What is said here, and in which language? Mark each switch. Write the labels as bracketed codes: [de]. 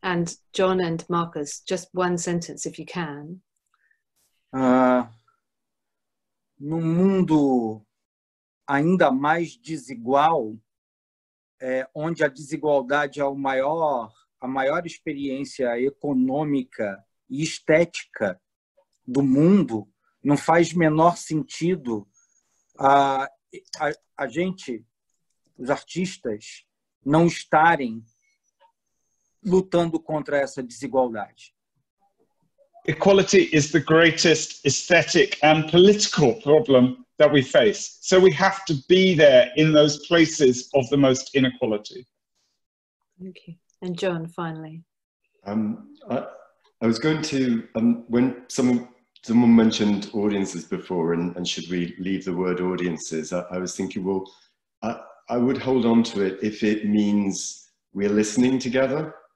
[en] And John and Marcus, just one sentence, if you can. [pt] No mundo ainda mais desigual, onde a desigualdade é a maior experiência econômica e estética do mundo, não faz menor sentido a gente, os artistas, não estarem lutando contra essa desigualdade. [en] Equality is the greatest aesthetic and political problem that we face. So we have to be there in those places of the most inequality. Okay. And John, finally. I was going to, when someone mentioned audiences before and should we leave the word audiences, I was thinking, well, I would hold on to it if it means we're listening together.